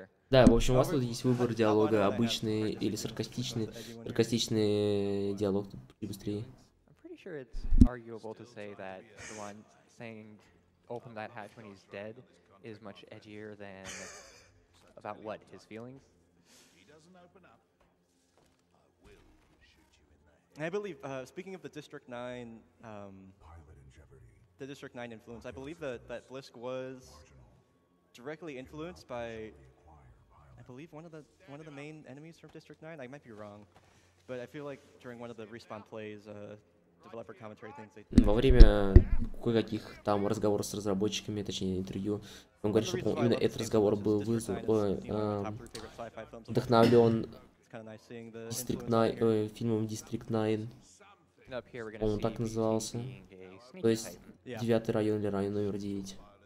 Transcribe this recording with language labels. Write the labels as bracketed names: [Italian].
[Russian] Да, в общем, у вас тут есть выбор диалога, обычный или саркастичный. Саркастичный диалог тут быстрее. [English] I'm pretty sure it's arguable to say that the one saying open that hatch when he's dead is much edgier than about what his feelings. I believe, speaking of the District 9, the District 9 influence, I believe that Blisk was directly influenced by, I believe, one of the main enemies from District 9. I might be wrong, but I feel like during one of the respawn plays, developer commentary things. [Russian] Во время кое-каких там разговоров с разработчиками, точнее интервью, он говорит, что именно этот разговор был вдохновлен District 9, фильмом District 9. По-моему, так назывался. То есть девятый район или район номер 9.